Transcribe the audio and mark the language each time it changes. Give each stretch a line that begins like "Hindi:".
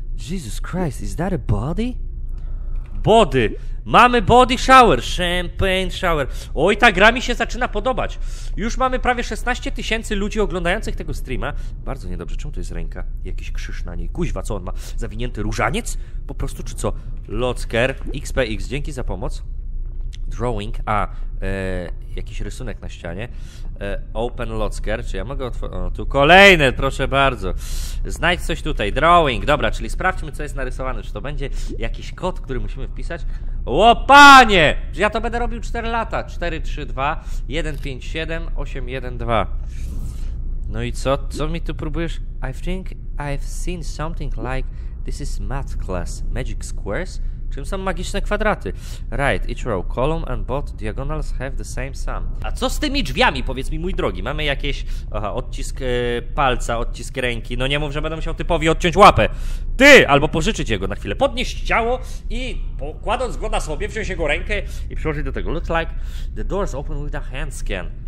English: Jesus Christ, is that a body? Body!
Polish: Mamy
English: body shower! Champagne shower!
Polish: Oj, ta gra mi się zaczyna podobać! Już mamy prawie 16 tysięcy ludzi oglądających tego streama. Bardzo niedobrze, czemu to jest ręka? Jakiś krzyż na niej. Kuźwa, co on ma? Zawinięty różaniec? Po prostu, czy co? Locker, XPX, dzięki za pomoc. Drawing, a jakiś rysunek na ścianie.
English: Open locker,
Polish: czy ja mogę otworzyć? O, tu kolejne, proszę bardzo. Znajdź coś tutaj. Drawing, dobra, czyli sprawdźmy, co jest narysowane. Czy to będzie jakiś kod, który musimy wpisać? Łopanie! Czy ja to będę robił 4 lata? 4, 3, 2, 1, 5, 7, 8, 1, 2. No i co? Co mi tu próbujesz?
English: I think I've seen something like this is math class. Magic squares?
Polish: Czym są magiczne kwadraty?
English: Right, each row, column and both diagonals have the same sum.
Polish: A co z tymi drzwiami, powiedz mi, mój drogi? Mamy jakieś... Aha, odcisk palca, odcisk ręki. No nie mów, że będę musiał typowi odciąć łapę. Ty! Albo pożyczyć jego na chwilę. Podnieść ciało i kładąc go na sobie, wziąć jego rękę i przyłożyć do tego.
English: Looks like the doors open with a hand scan.